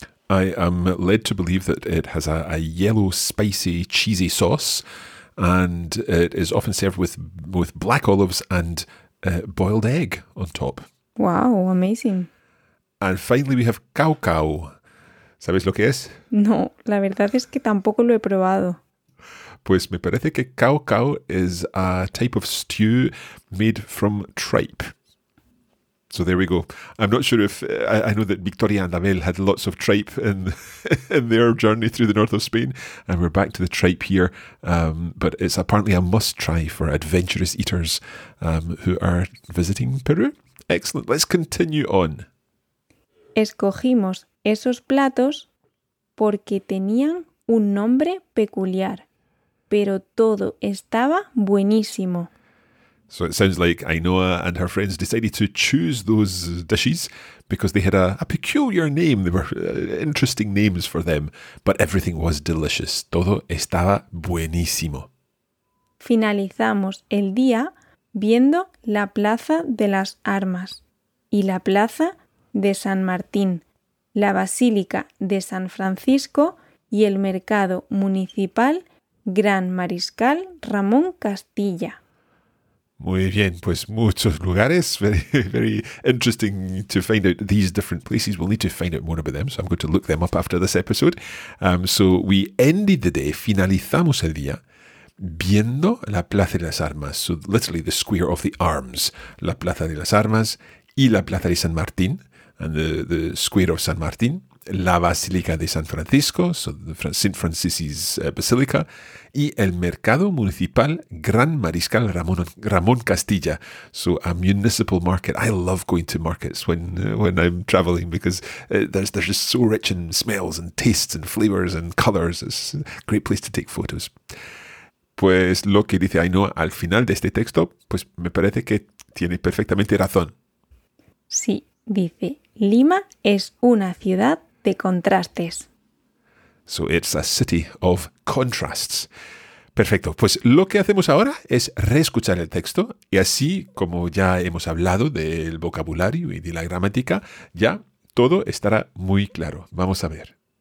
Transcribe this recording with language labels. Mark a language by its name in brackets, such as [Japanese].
[English] I am led to believe that it has a yellow, spicy, cheesy sauce, and it is often served with black olives and boiled egg on top. Wow, amazing. And finally, we have cau cau. [Spanish] ¿Sabes lo que es? No, la verdad es que tampoco lo he probado. Pues me parece que [English] cau cau is a type of stew made from tripe. So there we go. I'm not sure if... I know that Victoria and Abel had lots of tripe in their journey through the north of Spain. And we're back to the tripe here. But it's apparently a must try for adventurous eaters who are visiting Peru. Excellent. Let's continue on. [Spanish] Escogimos esos platos porque tenían un nombre peculiar. Pero todo estaba buenísimo. [English] So it sounds like Ainhoa and her friends decided to choose those dishes because they had a peculiar name. They were interesting names for them, but everything was delicious. [Spanish] Todo estaba buenísimo. Finalizamos el día viendo la Plaza de las Armas y la Plaza de San Martín, la Basílica de San Francisco y el Mercado Municipal Gran Mariscal Ramón Castilla. Muy bien, pues muchos lugares. [English] Very, very interesting to find out these different places. We'll need to find out more about them, so I'm going to look them up after this episode. So we ended the day, [Spanish] finalizamos el día, viendo la Plaza de las Armas. [English] So literally the Square of the Arms, [Spanish] la Plaza de las Armas y la Plaza de San Martín, [English] and the Square of San Martín. La Basílica de San Francisco, so St. Francis's Basilica, y el Mercado Municipal Gran Mariscal Ramón Castilla, so a municipal market. I love going to markets when I'm traveling because they're just so rich in smells and tastes and flavors and colors. It's a great place to take photos. [Spanish] Pues lo que dice Ainhoa al final de este texto, pues me parece que tiene perfectamente razón. Sí, dice, Lima es una ciudad de contrastes. [English] So it's a city of contrasts. [Spanish] Perfecto. Pues lo que hacemos ahora es reescuchar el texto y así, como ya hemos hablado del vocabulario y de la gramática, ya todo estará muy claro. Vamos a ver.